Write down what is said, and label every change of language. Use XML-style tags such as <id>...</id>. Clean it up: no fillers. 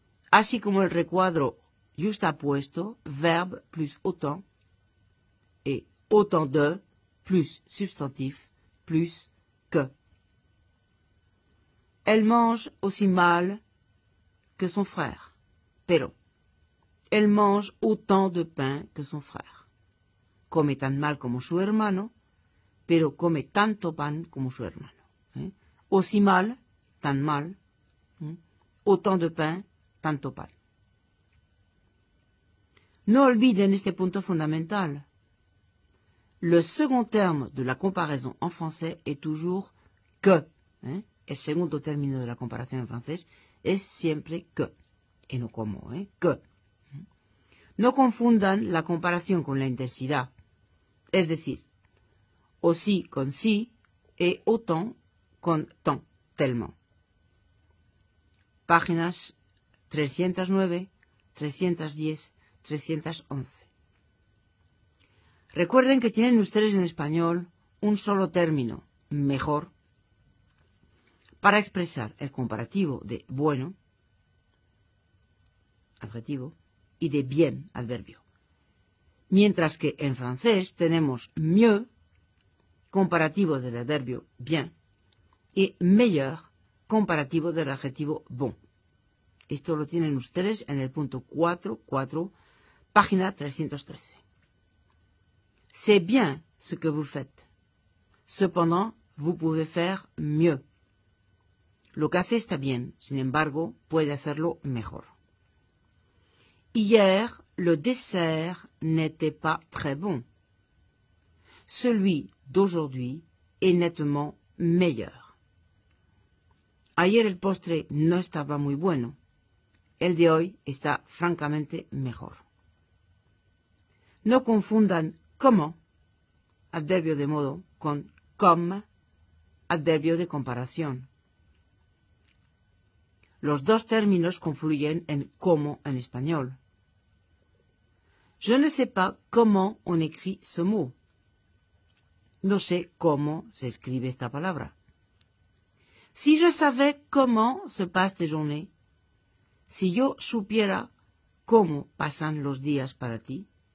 <es>Así como el recuadro justapuesto</es> <fr>verbe plus autant et autant de plus substantif plus que. Elle mange aussi mal que son frère. Pero, elle mange autant de pain que son frère.</fr> <es>Come tan mal como su hermano, pero come tanto pan como su hermano.</es> <fr>Aussi mal,</fr> <es>tan mal,</es> <fr>autant de pain,</fr> <es>tanto pan. No olviden este punto fundamental.</es> <fr>Le second terme de la comparaison en français est toujours que.</fr> <es>El segundo término de la comparación en francés es siempre que, y no como, que. No confundan la comparación con la intensidad, es decir, aussi con si, y autant con tant, tellement. Páginas 309, 310, 311. Recuerden que tienen ustedes en español un solo término, mejor, para expresar el comparativo de bueno, adjetivo, y de bien, adverbio. Mientras que en francés tenemos mieux, comparativo del adverbio bien, y meilleur, comparativo del adjetivo bon. Esto lo tienen ustedes en el punto 4.4, página 313.</es> <fr>C'est bien ce que vous faites. Cependant, vous pouvez faire mieux.</fr> <es>Lo que hace está bien, sin embargo, puede hacerlo mejor.</es> <fr>Hier, le dessert n'était pas très bon. Celui d'aujourd'hui est nettement meilleur.</fr> <es>Ayer el postre no estaba muy bueno. El de hoy está francamente mejor. No confundan como, adverbio de modo, con comme, adverbio de comparación. Los dos términos confluyen en cómo en español.</es> <fr>Je ne sais pas comment on écrit ce mot.</fr> <es>No sé cómo se escribe esta palabra.</es> <fr>Si je savais comment se passe tes journées,</fr> <es>si yo supiera cómo pasan los días para ti,</es>